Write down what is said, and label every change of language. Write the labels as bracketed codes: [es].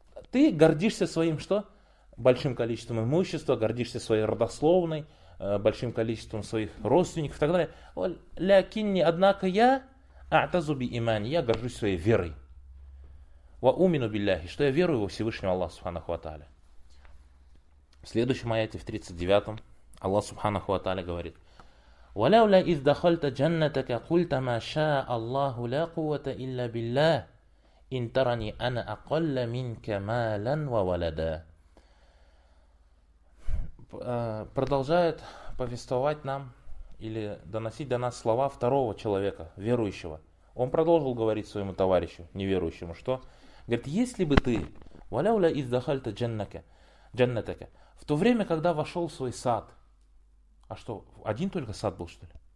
[ru] Ты гордишься своим что? Большим количеством имущества, гордишься своей родословной, большим количеством своих родственников и так далее. Олякинни, однако я [ar] атазу би имани, [ru] я горжусь своей верой. [ar] Ва умину билляхи, [ru] что я верую во Всевышнего Аллаха Субханаху ва Тааля. В следующем аяте, в 39-м, Аллах Субханаху ва Тааля говорит, [ar] ولولا إذ دخلت جنتك قلت ما شاء الله لا قوة إلا بالله إن ترني أنا أقل منك مالا وولدا. [ru] Продолжает повествовать нам или доносить до нас слова второго человека, верующего. Он продолжил говорить своему товарищу, неверующему, что? Говорит, если бы ты, [ar] ولولا إذ دخلت جنتك, [ru] в то время, когда вошел в свой сад. А что, один только сад был, что ли?